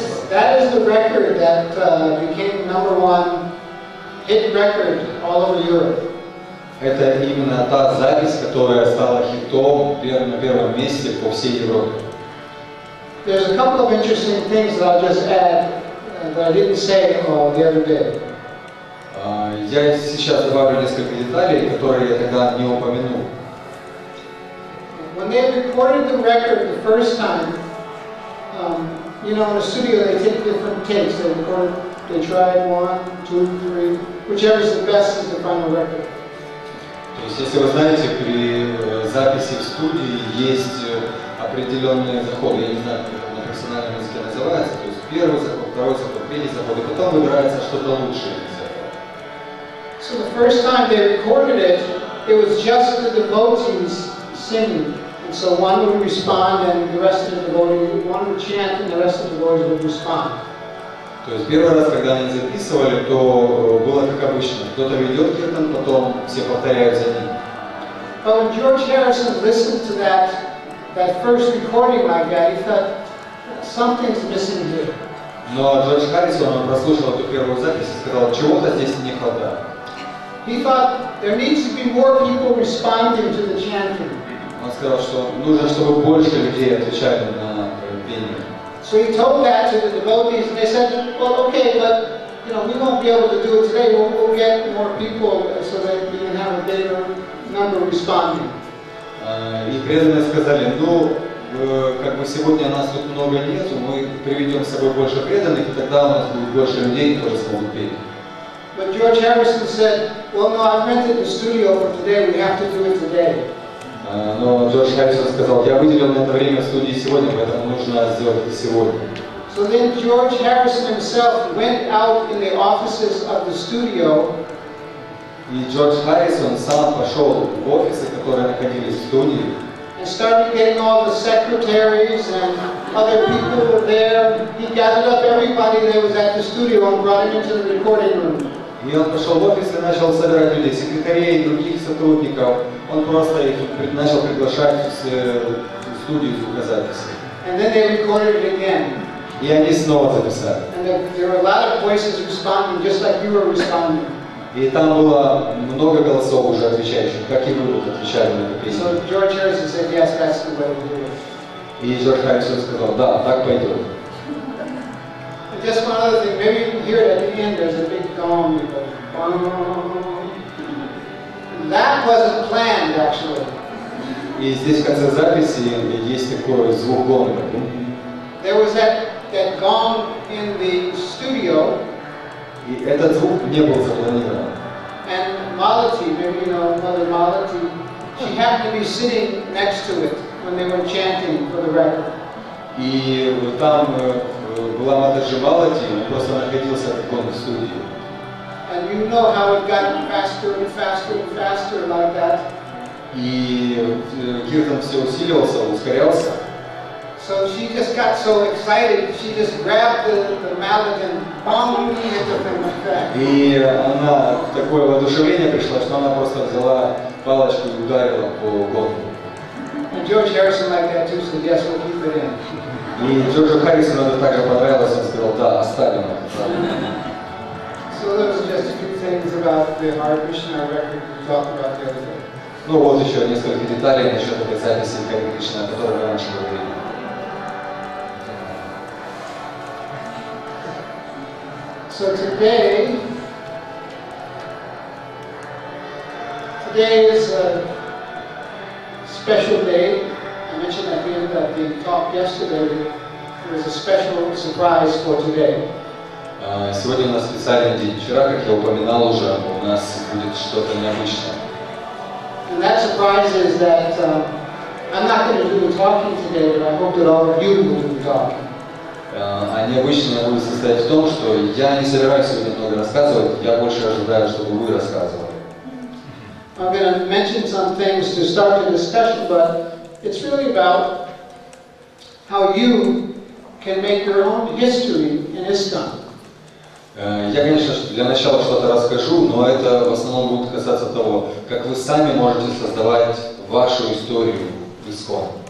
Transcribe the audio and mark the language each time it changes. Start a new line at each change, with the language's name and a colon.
English: That is the record that became number one hit record all over Europe.
Russian: Это именно та запись, которая стала хитом на первом месте по всей Европе.
English: There's a couple of interesting things that I'll just add that I didn't say the other day.
Russian: Я сейчас добавлю несколько деталей, которые я тогда не упомянул.
English: When they recorded the record the first time, you know, in a studio they take different takes. They record, they try one, two, three, whichever is the best is the final record.
Russian: То есть, если вы знаете, при записи в студии есть определенные заходы, я не знаю, как на профессиональном языке называется, то есть первый заход, второй заход, третий заход, и потом выбирается что-то лучшее из этого.
English: So the first time they recorded it, it was just the devotees singing. And so one would respond and the rest of the devotees, one would chant and the rest of the devotees would respond.
Russian: То есть первый раз, когда они записывали, то было как обычно. Кто-то ведет кирпан, потом все повторяют за ним.
English: But when George Harrison listened to that first recording like that, he thought, something's missing here.
Russian: Но Джордж Харрисон, он прослушал эту первую запись и сказал, чего-то здесь не хватает.
English: He thought, there needs to be more people responding to the chanting.
Russian: Он сказал, что нужно, чтобы больше людей отвечали на пение.
English: So he told that to the devotees, and they said, well, okay, but, you know, we won't be able to do it today. We'll get more people so that we can have a bigger number responding.
Russian: И преданные сказали, ну, как бы сегодня нас тут много нет, мы приведем с собой больше преданных, и тогда у нас будет больше людей, которые смогут петь.
English: But George Harrison said, well, no, I've rented the studio for today. We have to do it today.
Russian: Но Джордж Харрисон сказал, я выделил на это время в студии сегодня, поэтому нужно сделать это сегодня.
English: So then George Harrison himself went out in the offices of the studio.
Russian: И Джордж Харрисон сам пошел в офисы, которые находились в студии.
English: And started getting all the secretaries and other people who were there. He gathered up everybody that was at the studio and brought them into the recording room.
Russian: И он пошел в офис и начал собирать людей, секретарей и других сотрудников. Он просто их начал приглашать в студию звукозаписи.
English: And then they recorded it again.
Russian: И они снова записали.
English: And there were a lot of voices responding, just like you were responding.
Russian: И там было много голосов уже отвечающих, как и вы отвечали на эту песню.
English: So George Harrison said, yes, that's the way to do it.
Russian: И Джордж Харрисон сказал, да, так пойдет.
English: Just one other thing, maybe you can hear it at the end, there's a big gong that goes, bong. That wasn't planned, actually.
Russian: И здесь, в конце записи, есть такой звук гонга.
English: There was that gong in the studio.
Russian: И этот звук не был запланирован.
English: And Malati, maybe you know Mother Malati, she happened to be sitting next to it when they were chanting for the record.
Russian: И там была Матаджи Малати, он просто находился в гонг студии.
English: And you know how it got faster and faster and faster like that.
Russian: И киртан все усиливался, ускорялся.
English: So she just got so excited, she just grabbed the mallet and bong hit the thing like that.
Russian: И она такое воодушевление пришло, что она просто взяла палочку и ударила по гонгу.
English: And George Harrison like that too, so yes, we'll keep it in.
Russian: И Джорджу Харрисону это также понравилось, он сказал, да, оставим это.
English: So there was just a few things about the Hare Krishna record we talked about the other day.
Russian: Ну вот еще несколько деталей насчет этой записи Hare Krishna, о которой мы раньше говорили.
English: So today is a special day. I mentioned at the end of the talk yesterday that there is a special surprise for today.
Russian: Сегодня у нас специальный день. Вчера, как я упоминал уже, у нас будет что-то необычное.
English: And that surprise is that I'm not going to do the talking today, but I hope that all of you will do the talking.
Russian: А необычное будет состоять в том, что я не собираюсь сегодня много рассказывать, я больше ожидаю, чтобы вы рассказывали.
English: I'm going to mention some things to start the discussion, but it's really about how you can make your own history in ISKCON.
Russian: Я, конечно, для начала что-то расскажу, но это в основном будет касаться того, как вы сами можете создавать вашу историю в ISKCON.